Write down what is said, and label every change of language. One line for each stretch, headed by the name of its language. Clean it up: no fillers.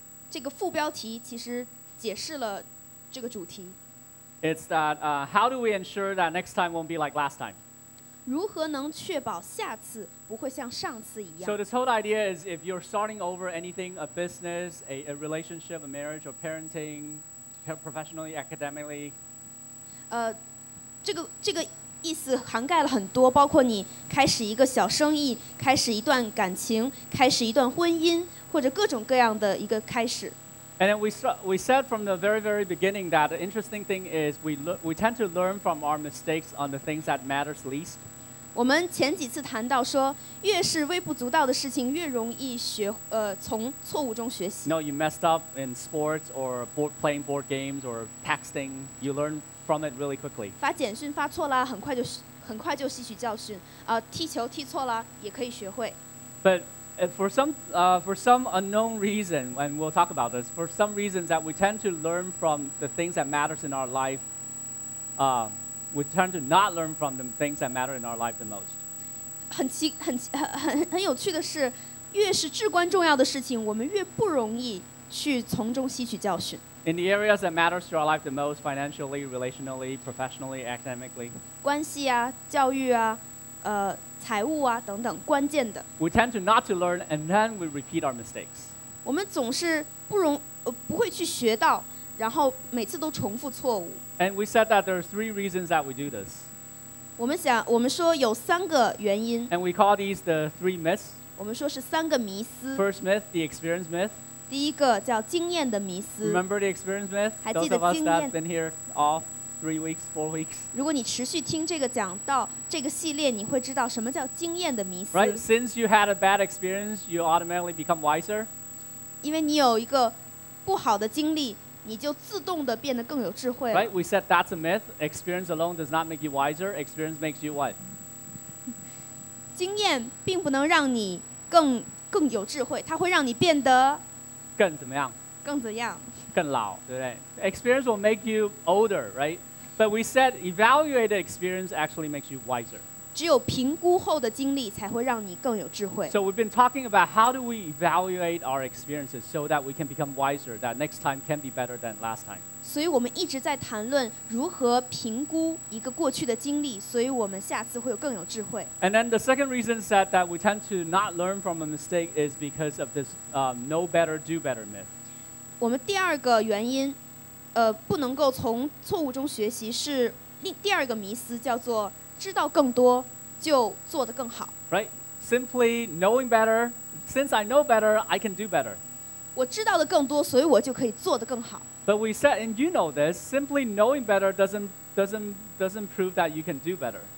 Chinese: 这个副标题其实解释了这个主题。
English: It's that how do we ensure that next time won't be like last time?
Chinese: 如何能确保下次不会像上次一样
English: ？So this whole idea is if you're starting over anything, a business, a relationship, a marriage, or parenting, professionally, academically.
Chinese: 这个意思涵盖了很多，包括你开始一个小生意，开始一段感情，开始一段婚姻，或者各种各样的一个开始。
English: And then we said from the very, very beginning that the interesting thing is we tend to learn from our mistakes on the things that matters least.
Chinese: 我们前几次谈到说，越是微不足道的事情，越容易学从错误中学习。
English: No, you messed up in sports or playing board games or texting. You learn from it really quickly.
Chinese: 发简讯发错了，很快就吸取教训。踢球踢错了也可以学会。
English: But For some unknown reason, and we'll talk about this, for some reasons that we tend to learn from the things that matters in our life, we tend to not learn from the things that matter in our life the most.
Chinese: 很有趣的是，越是至关重要的事情，我们越不容易去从中吸取教训。
English: In the areas that matters to our life the most, financially, relationally, professionally, academically.
Chinese: 关系啊，教育啊。财务啊等等关键的。
English: We tend to not to learn, and then we repeat our mistakes.
Chinese: 我们总是不会去学到，然后每次都重复错误。
English: And we said that there are three reasons that we do this.
Chinese: 我们说有三个原因。
English: And we call these the three myths.
Chinese: 我们说是三个迷思。
English: First myth, the experience myth.
Chinese: 第一个叫经验的迷思。
English: Remember the experience myth?
Chinese: 还记得经验。
English: Those of us that have been here all. 3 weeks, 4 weeks.
Chinese: 如果你持续听这个讲道，这个系列，你会知道什么叫经验的迷思。
English: Right, since you had a bad experience, you automatically become wiser.
Chinese: 因为你有一个不好的经历，你就自动的变得更有智慧。
English: Right, we said that's a myth. Experience alone does not make you wiser. Experience makes you what?
Chinese: 经验并不能让你更有智慧，它会让你变得更怎么样？更怎样？更老，对不对？
English: Experience will make you older, right? But we said evaluated experience actually makes you wiser.
Chinese: 只有评估后的经历才会让你更有智慧。
English: So we've been talking about how do we evaluate our experiences so that we can become wiser, that next time can be better than last time.
Chinese: 所以我们一直在谈论如何评估一个过去的经历，所以我们下次会有更有智慧。
English: And then the second reason said that we tend to not learn from a mistake is because of this know better, do better myth.
Chinese: 我们第二个原因，不能够从错误中学习，是第二个迷思，叫做知道更多就做得更好。
English: Right, simply knowing better. Since I know better, I can do better.
Chinese: 我知道的更多，所以我就可以做得更好。
English: But we said, and you know this, simply knowing better doesn't prove that you can do better.